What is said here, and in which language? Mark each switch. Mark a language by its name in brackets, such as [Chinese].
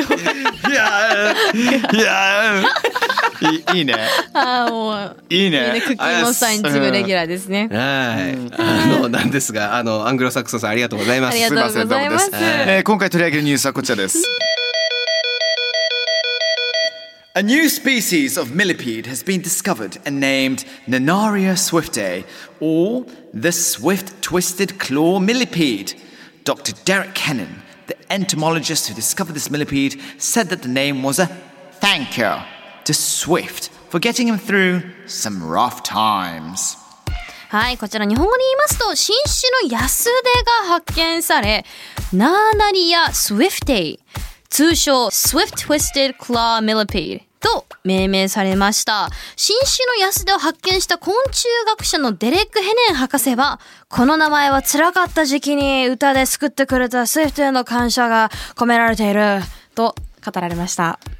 [Japanese] いやーいやーいいね。あーもういいね。クッキーモンスターにチームレギュラーですね。はい。あのなんですが、あのアングロサクソンさんありがとうございます。ありがとうございます。今回取り上げるニュースはこちらです。 [English] A new species of millipede has been discovered and named Nanaria swiftae, or the swift twisted claw millipede. Dr. Derek Kennan, the entomologist who discovered this millipede, said that the name was a thank you to Swift for getting him through some rough times. [Japanese] はい、こちら日本語で言いますと、新種のヤスデが発見され、ナナリアスウィフテイ、通称 Swift Twisted Claw Millipede。と命名されました。新種のヤスデを発見した昆虫学者のデレック・ヘネン博士は、この名前は辛かった時期に歌で救ってくれたスウィフトへの感謝が込められていると語られました。